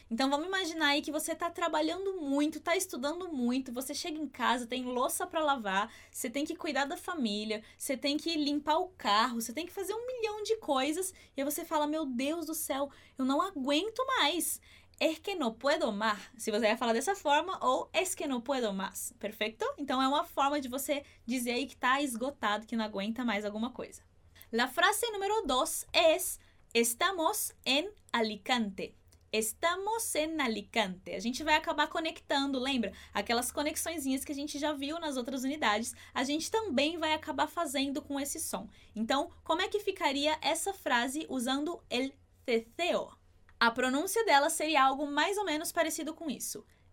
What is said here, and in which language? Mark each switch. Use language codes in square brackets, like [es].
[pt] Então vamos imaginar aí que você tá trabalhando muito, tá estudando muito, você chega em casa, tem louça pra lavar, você tem que cuidar da família, você tem que limpar o carro, você tem que fazer um milhão de coisas, e aí você fala, meu Deus do céu, eu não aguento mais. [es] Es que no puedo más. [pt] Se você vai falar dessa forma, ou [es] es que no puedo más. Perfeito? [pt] Então é uma forma de você dizer aí que está esgotado, que não aguenta mais alguma coisa. [es] La frase número 2 es: estamos en Alicante. Estamos en Alicante. [pt] A gente vai acabar conectando, lembra? Aquelas conexõezinhas que a gente já viu nas outras unidades, a gente também vai acabar fazendo com esse som. Então, como é que ficaria essa frase usando el ceceo? A pronúncia dela seria algo mais ou menos parecido com isso.